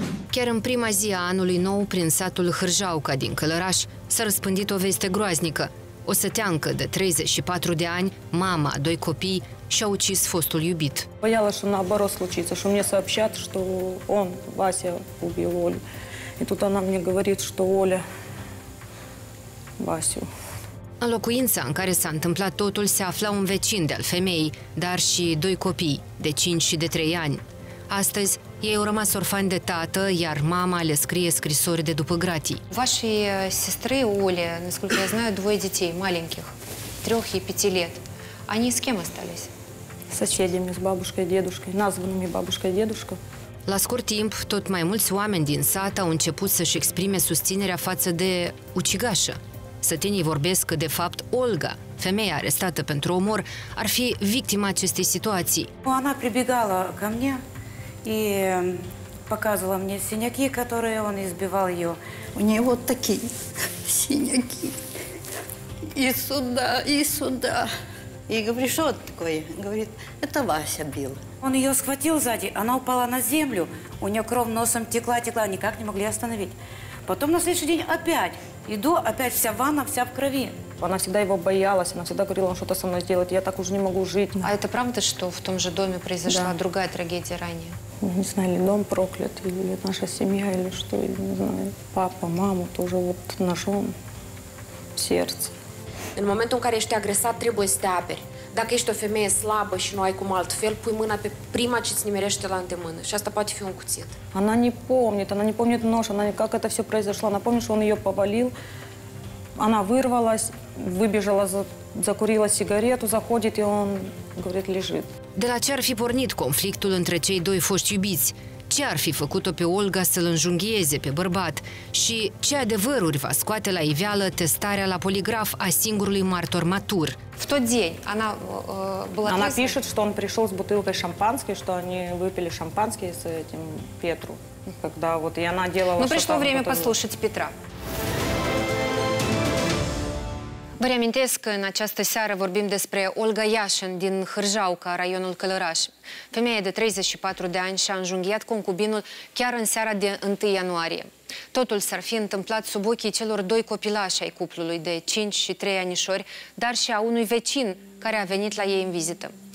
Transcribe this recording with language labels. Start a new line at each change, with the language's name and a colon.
Romanian: Chiar în prima zi a anului nou, prin satul Hârjauca din Călăraș, s-a răspândit o veste groaznică. O săteancă de 34 de ani, mama, doi copii, și-a ucis fostul iubit.
Russian: Боялась, что наоборот случится, что мне сообщат, что он, Вася, убил Олю. И тут она мне говорит, что Оля Васю.
Romanian: În locuința în care s-a întâmplat totul se afla un vecin de-al femeii, dar și doi copii, de 5 și de 3 ani. Astăzi, ei au rămas orfani de tată, iar mama le scrie scrisori de după gratii.
Russian: Вашей сестры Оле, насколько я знаю, двое детей маленьких, 3 и 5 лет. Они с кем остались? Соседями, с бабушкой и дедушкой, названными бабушкой и дедушкой.
Romanian: La scurt timp, tot mai mulți oameni din sat au început să-și exprime susținerea față de ucigașă. Sătenii vorbesc că, de fapt, Olga, femeia arestată pentru omor, ar fi victima acestei situații.
Russian: Она прибегала ко мне и показывала мне синяки, которые он избивал ее. У нее вот такие синяки. И сюда. И говорит, что это такое? Говорит, это Вася бил. Он ее схватил сзади, она упала на землю. У нее кровь носом текла, никак не могли остановить. Потом на следующий день опять. Иду, опять вся ванна, вся в крови. Она всегда его боялась, она всегда говорила, он что-то со мной сделает, я так уже не могу жить. А это правда, что в том же доме произошла другая трагедия ранее? Не знаю, или дом проклят, или наша семья, или что, или не знаю. Папа, маму тоже вот нашел в сердце.
Romanian: În momentul în care ești agresat, trebuie să te aperi. Dacă ești o femeie slabă și nu ai cum altfel, pui mâna pe prima ce-ți nimerește la îndemână. Și asta poate fi un cuțit.
Russian: Она не помнит, она не помнит нож, она как это все произошло. Она помнит, что он ее повалил. Она вырвалась, выбежала, закурила сигарету, заходит, и он, говорит, лежит.
Romanian: De la ce ar fi pornit conflictul între cei doi foști iubiți? Ce ar fi făcut-o pe Olga să-l înjunghieze pe bărbat? Și ce adevăruri va scoate la iveală testarea la poligraf a singurului martor matur?
Russian: В тот день она была... Она пишет, что он пришел с бутылкой шампанской, что они выпили шампанское с этим Петру. Когда вот, и она делала... Ну, пришло время послушать Петра.
Romanian: Vă reamintesc că în această seară vorbim despre Olga Iașin din Hârjauca, raionul Călăraș. Femeia de 34 de ani și-a înjunghiat concubinul chiar în seara de 1 ianuarie. Totul s-ar fi întâmplat sub ochii celor doi copilași ai cuplului de 5 și 3 anișori, dar și a unui vecin care a venit la ei în vizită.